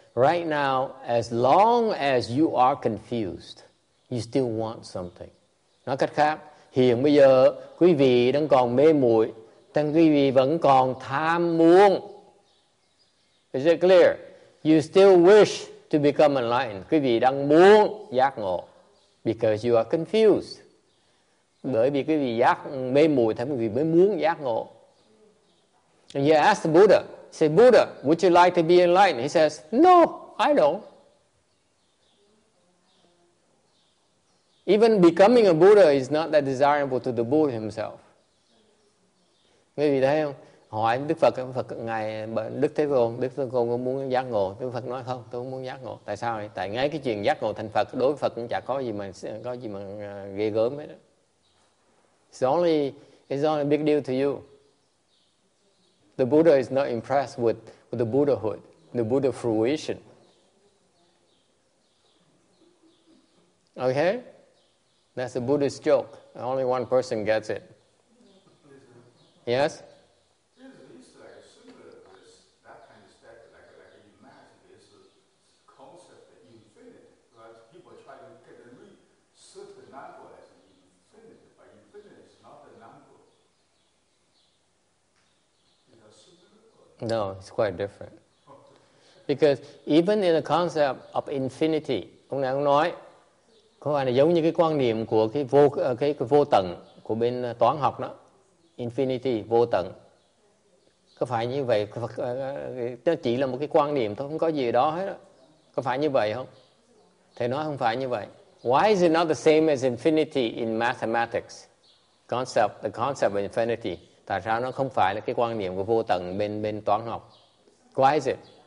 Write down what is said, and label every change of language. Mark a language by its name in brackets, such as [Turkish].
[English] Right now, as long as you are confused, you still want something. [Vietnamese] Nói cách khác, hiện bây giờ quý vị đang còn mê muội, đang quý vị vẫn còn tham muốn. [English] Is it clear? You still wish to become enlightened. [Vietnamese] Quý vị đang muốn giác ngộ. [English] Because you are confused. [Vietnamese] Bởi vì quý vị giác mê muội, thế quý vị mới muốn giác ngộ. [English] And you ask the Buddha, say, Buddha, would you like to be enlightened? He says, no, I don't. Even becoming a Buddha is not that desirable to the Buddha himself. [Vietnamese] Quý vị thấy không? Hỏi Đức Phật ngài Đức Thế Tôn có muốn giác ngộ? Đức Phật nói không, tôi không muốn giác ngộ. Tại sao? Tại ngay cái chuyện giác ngộ thành Phật đối với Phật cũng chẳng có gì mà ghê gớm hết. [English] It's only a big deal to you. The Buddha is not impressed with the Buddhahood, the Buddha fruition. Okay? That's a Buddhist joke. Only one person gets it. Yes? No, it's quite different. Because even in the concept of infinity, [Vietnamese] ông này ông nói, có phải là giống như cái quan điểm của cái vô tận của bên toán học đó, infinity, vô tận. Có phải như vậy? Nó chỉ là một cái quan điểm thôi, không có gì đó hết. Có phải như vậy không? Thầy nói không phải như vậy. [English] Why is it not the same as infinity in mathematics? The concept of infinity. [Vietnamese] Tại sao nó không phải là cái quan niệm của vô tận bên toán học? [English] Why is it?